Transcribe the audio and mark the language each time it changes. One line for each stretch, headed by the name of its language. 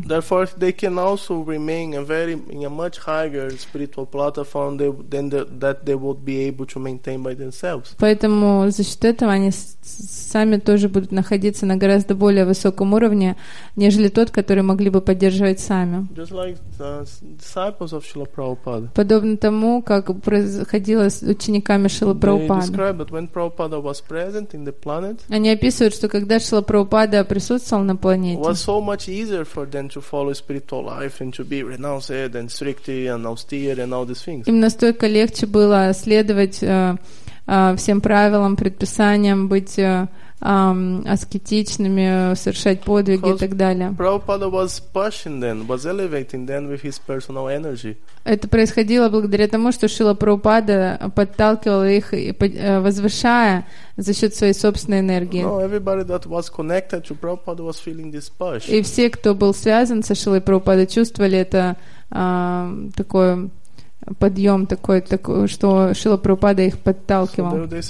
English: Therefore, they can also remain a very, in a much higher spiritual platform than the, that they would be able to maintain by themselves.
Russian: Поэтому за счет этого они сами тоже будут находиться на гораздо более высоком уровне, нежели тот, который могли бы поддерживать сами.
English: Just like the disciples of Srila Prabhupada.
Russian: Подобно тому, как происходило с учениками Шрилы Прабхупады.
English: They describe that when Prabhupada was present in the planet.
Russian: Они описывают, что когда Шрила Прабхупада присутствовал на планете.
English: Was so much easier for them to follow spiritual life and to be renounced and strict and austere and all these things.
Russian: Им настолько легче было следовать всем правилам, предписаниям, быть аскетичными, совершать подвиги и так далее.
English: Prabhupada was pushing them, was elevating them with his personal energy.
Russian: Это происходило благодаря тому, что Шрила Прабхупада подталкивал их, возвышая за счет своей собственной энергии.
English: No, everybody that was connected to Prabhupada was feeling this push.
Russian: И все, кто был связан со Шрилой Прабхупадой, чувствовали это такое подъем такой, такой, что Шрила Прабхупада их подталкивал.